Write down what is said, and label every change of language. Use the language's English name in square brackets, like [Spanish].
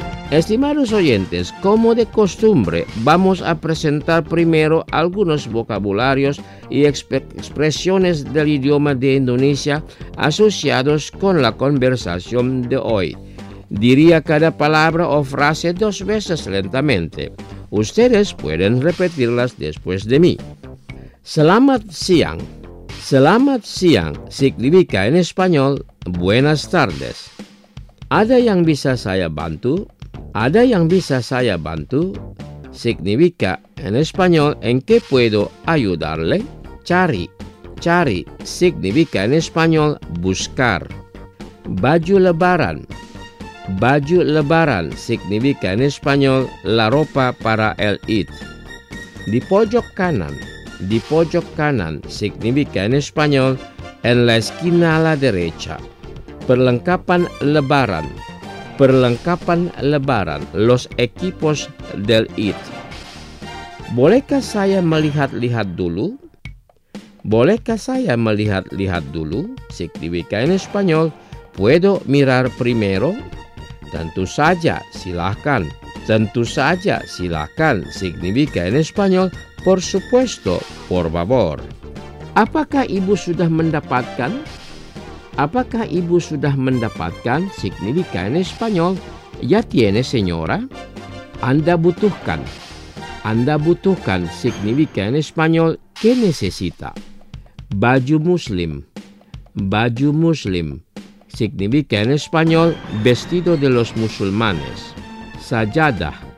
[Spanish] Estimados oyentes, como de costumbre, vamos a presentar primero algunos vocabularios y expresiones del idioma de Indonesia asociados con la conversación de hoy. Diría cada palabra o frase dos veces lentamente. Ustedes pueden repetirlas después de mí. [Indonesian] Selamat siang. Selamat siang [Spanish] significa en español buenas tardes. [Indonesian] ¿Ada yang bisa saya bantu? ¿Ada yang bisa saya bantu? [Spanish] Significa en español ¿en qué puedo ayudarle? Cari. Cari significa en español buscar. [Indonesian] Baju lebaran. Baju lebaran [Spanish] significa en español la ropa para el Eid. [Indonesian] Di pojok kanan. Di pojok kanan [Spanish] significa en español en la esquina a la derecha. [Indonesian] Perlengkapan lebaran. Perlengkapan lebaran, [Spanish] los equipos del Eid. [Indonesian] ¿Bolehkah saya melihat-lihat dulu? ¿Bolehkah saya melihat-lihat dulu? [Spanish] Significa en español, ¿puedo mirar primero? [Indonesian] Tentu saja, silakan. Tentu saja, silakan. [Spanish] Significa en español, por supuesto, por favor. [Indonesian] ¿Apakah ibu sudah mendapatkan? Apakah ibu sudah mendapatkan? [Spanish] Significa en español, ya tiene señora. [Indonesian] Anda butuhkan. Anda butuhkan [Spanish] significa en español, que necesita. [Indonesian] Baju muslim. Baju muslim [Spanish] significa en español, vestido de los musulmanes. Sajadah.